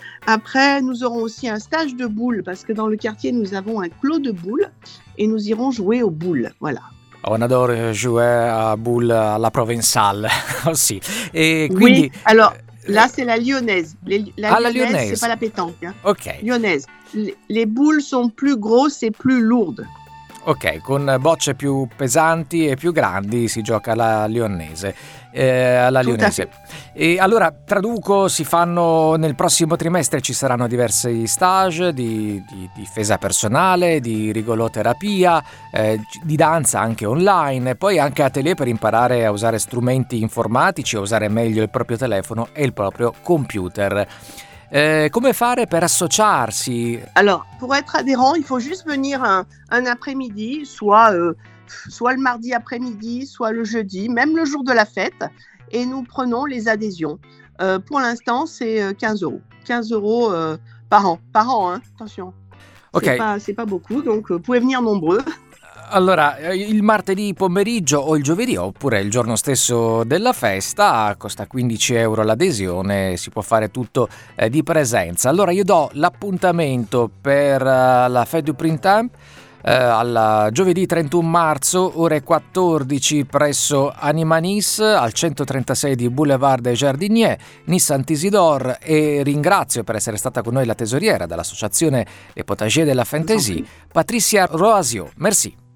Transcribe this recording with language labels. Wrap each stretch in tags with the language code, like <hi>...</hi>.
<fr>Après, nous aurons aussi un stage de boules, parce que dans le quartier, nous avons un clos de boules et nous irons jouer aux boules, voilà. On adore jouer à boules à la Provençale aussi. Et</fr> <it>quindi...</it> <fr>Oui, alors là, c'est la lyonnaise. La lyonnaise, c'est pas la pétanque. Hein. Ok. Lyonnaise. Les boules sont plus grosses et plus lourdes.</fr> <it>Ok, con bocce più pesanti e più grandi si gioca la lyonnaise. Alla lyonnaise. E allora, traduco, si fanno nel prossimo trimestre, ci saranno diversi stage di difesa personale, di rigoloterapia, di danza anche online, e poi anche atelier per imparare a usare strumenti informatici, a usare meglio il proprio telefono e il proprio computer. Come fare per associarsi?</it> <fr>Alors, pour être adhérent, il faut juste venir un après-midi, soit le mardi après-midi, soit le jeudi, même le jour de la fête, et nous prenons les adhésions. Pour l'instant, c'est 15 €. 15 € par an, hein, attention. Okay. C'est pas beaucoup, donc vous pouvez venir nombreux.</fr> <it>Allora, il martedì pomeriggio o il giovedì oppure il giorno stesso della festa, costa 15 euro l'adesione, si può fare tutto di presenza. Allora io do l'appuntamento per la Fête du Printemps al giovedì 31 marzo, ore 14 presso Anima Nice, al 136 di Boulevard des Jardiniers, Nice Saint-Isidore, e ringrazio per essere stata con noi la tesoriera dell'associazione Les Potagers de la Fantaisie, Patricia Roasio. Merci.</it>